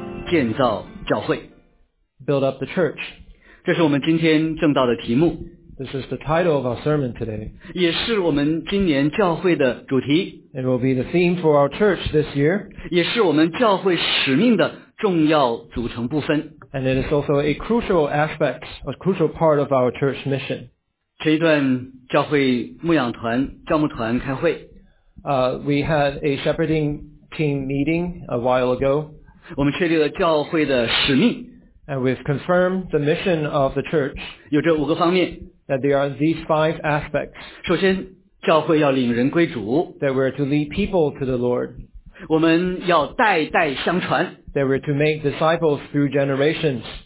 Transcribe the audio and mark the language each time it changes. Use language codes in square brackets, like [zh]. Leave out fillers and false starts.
[zh] 建造教会 [en] Build up the church， [zh] 这是我们今天正道的题目。 [en] This is the title of our sermon today， [zh] 也是我们今年教会的主题。 [en] It will be the theme for our church this year， [zh] 也是我们教会使命的重要组成部分。 [en] And it is also a crucial aspect, a crucial part of our church mission。 [zh] 这一段教会牧养团教牧团开会、 [en] We had a shepherding team meeting a while ago。 [zh] 我们确立了教会的使命。 [en] And we've confirmed the mission of the church. [zh] 有这五个方面。 [en] That there are these five aspects. [zh] 首先，教会要领人归主。 [en] That we're to lead people to the Lord. [zh] 我们要代代相传。 [en] That we're to make disciples through generations.